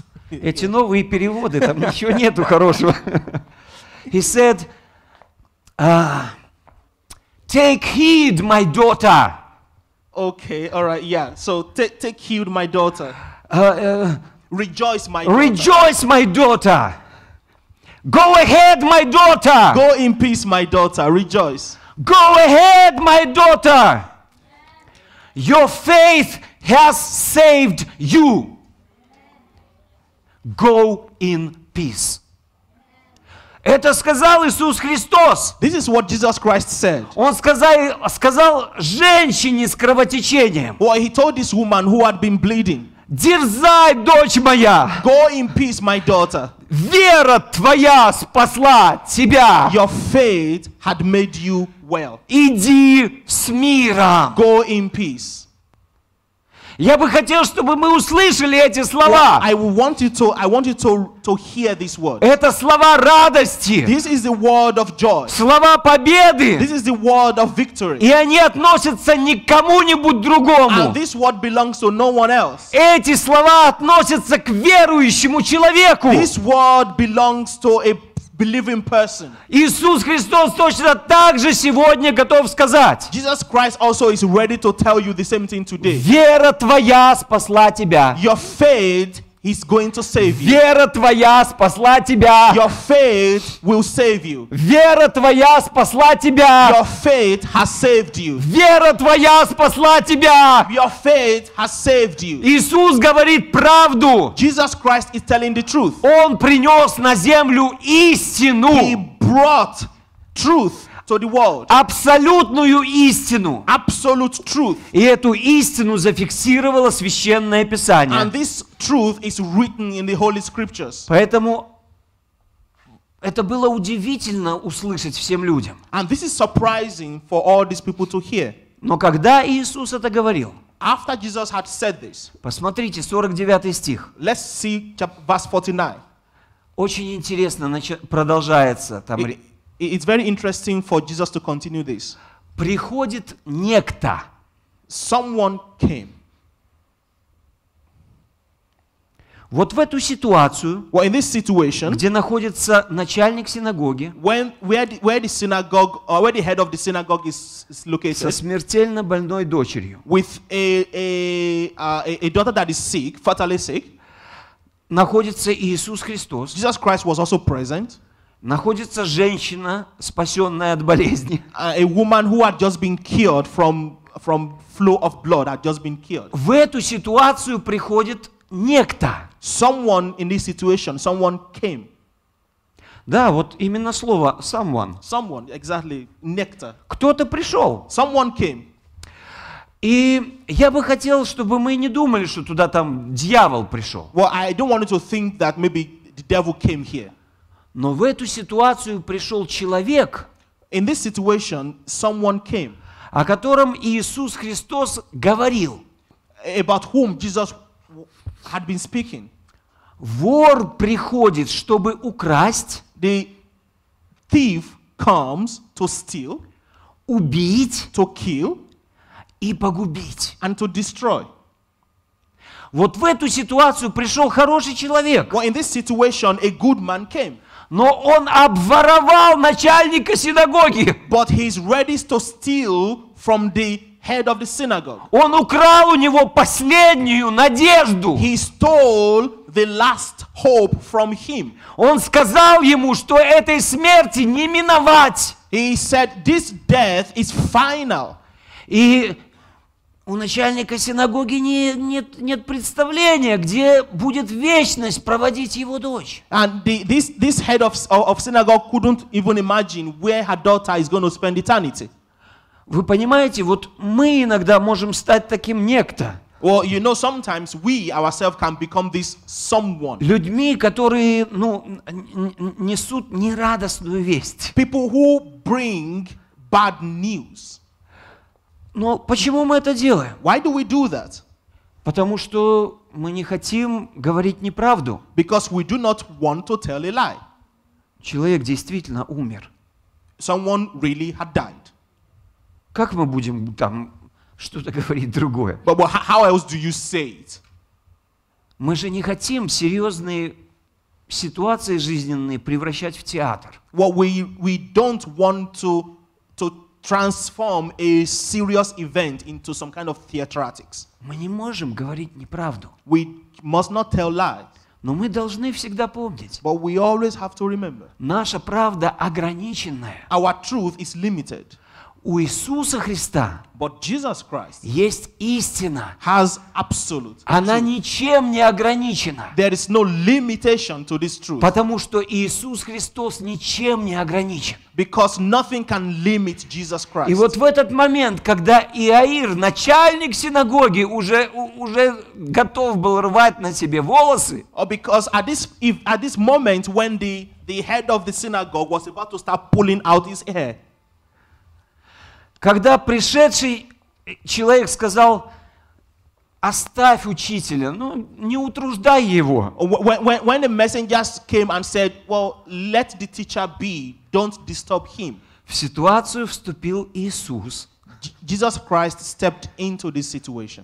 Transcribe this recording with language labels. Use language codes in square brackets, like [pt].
[ru] Эти новые переводы, там ничего нету хорошего. [en] He said, "Take heed, my daughter." Okay, all right, yeah. So take heed, my daughter. Rejoice, my daughter. Rejoice, my daughter. Go ahead, my daughter. Go in peace, my daughter. Rejoice. Go ahead, my daughter. Your faith has saved you. Go in peace. [ru] Это сказал Иисус Христос. [en] This is what Jesus Christ said. [ru] Он сказал женщине с кровотечением. [en] Well, he told this woman who had been bleeding. [ru] Дерзай, дочь моя. [en] Go in peace, my daughter. [ru] Вера твоя спасла тебя. [en] Your faith had made you well. [ru] Иди с миром. [en] Go in peace. [ru] Я бы хотел, чтобы мы услышали эти слова. [en] I want you to hear this word. [ru] Это слова радости. [en] This is the word of joy. [ru] Слова победы. [en] This is the word of victory. [ru] И они относятся не к кому-нибудь другому. [en] And this word belongs to no one else. [ru] Эти слова относятся к верующему человеку. [en] This word belongs to a believing person. [ru] Иисус Христос точно так же сегодня готов сказать. [en] Jesus Christ also is ready to tell you the same thing today. [ru] Вера твоя спасла тебя. [en] Your faith is going to save you. [ru] Вера твоя спасла тебя. [en] Your faith will save you. [ru] Вера твоя спасла тебя. [en] Your faith has saved you. [ru] Вера твоя спасла тебя. [en] Your faith has saved you. [ru] Иисус говорит правду. [en] Jesus Christ is telling the truth. [ru] Он принес на землю истину. [en] He brought truth to the world. [ru] Абсолютную истину. [en] Absolute truth. [ru] И эту истину зафиксировало Священное Писание. [en] And this truth is written in the Holy Scriptures. [ru] Поэтому это было удивительно услышать всем людям. [en] And this is surprising for all these people to hear. [ru] Но когда Иисус это говорил, [en] after Jesus had said this, [ru] посмотрите, 49 стих. [en] Let's see verse 49. [ru] Очень интересно продолжается там. [en] It's very interesting for Jesus to continue this. [ru] Приходит некто. [en] Someone came. [ru] Вот в эту ситуацию, [en] well, in this situation, [ru] где находится начальник синагоги, [en] where the synagogue, or where the head of the synagogue is located, [ru] со смертельно больной дочерью, [en] with a daughter that is sick, fatally sick, [ru] находится Иисус Христос. [en] Jesus Christ was also present. [ru] Находится женщина, спасенная от болезни. [en] A woman who had just been cured from flow of blood had just been cured. [ru] В эту ситуацию приходит некто. [en] Someone in this situation, someone came. [ru] Да, вот именно слово someone. [en] Someone, exactly, некто. [ru] Кто-то пришел. [en] Someone came. [ru] И я бы хотел, чтобы мы не думали, что туда там дьявол пришел. [en] Well, I don't want you to think that maybe the devil came here. [ru] Но в эту ситуацию пришел человек, [en] in this situation, someone came, [ru] о котором Иисус Христос говорил. [en] About whom Jesus had been speaking. [ru] Вор приходит, чтобы украсть, [en] the thief comes to steal, [ru] убить, [en] to kill, [ru] и погубить, [en] and to destroy. [ru] Вот в эту ситуацию пришел хороший человек. [en] Well, in this situation, a good man came. [ru] Но он обворовал начальника синагоги. [en] But he's ready to steal from the head of the synagogue. [ru] Он украл у него последнюю надежду. [en] He stole the last hope from him. [ru] Он сказал ему, что этой смерти не миновать. [en] He said this death is final. [ru] И у начальника синагоги нет представления, где будет вечность проводить его дочь. [en] And this head of synagogue couldn't even imagine where her daughter is going to spend eternity. [ru] Вы понимаете, вот мы иногда можем стать таким некто. [en] Well, you know, sometimes we ourselves can become this someone. [ru] Людьми, которые, несут нерадостную весть. [en] People who bring bad news. [ru] Но почему мы это делаем? [en] Why do we do that? [ru] Потому что мы не хотим говорить неправду. [en] Because we do not want to tell a lie. [ru] Человек действительно умер. [en] Someone really had died. [ru] Как мы будем там что-то говорить другое? [en] But how else do you say it? [ru] Мы же не хотим серьезные ситуации жизненные превращать в театр. [en] Well, we don't want to transform a serious event into some kind of theatrics. [ru] Мы не можем говорить неправду. [en] We must not tell lies. [ru] Но мы должны всегда помнить. [en] But we always have to remember. [ru] Наша правда ограниченная. [en] Our truth is limited. [ru] У Иисуса Христа есть истина. [en] Has absolute. [ru] Она ничем не ограничена. [en] There is no limitation to this truth. [ru] Потому что Иисус Христос ничем не ограничен. [en] Because nothing can limit Jesus Christ. [ru] И вот в этот момент, когда Иаир, начальник синагоги, уже готов был рвать на себе волосы. [en] Or because at this moment when the head of the synagogue was about to start pulling out his hair. [ru] Когда пришедший человек сказал: «Оставь учителя, не утруждай его». [en] When the messenger came and said, "Well, let the teacher be, don't disturb him." [ru] В ситуацию вступил Иисус. [en] Jesus Christ stepped into this situation.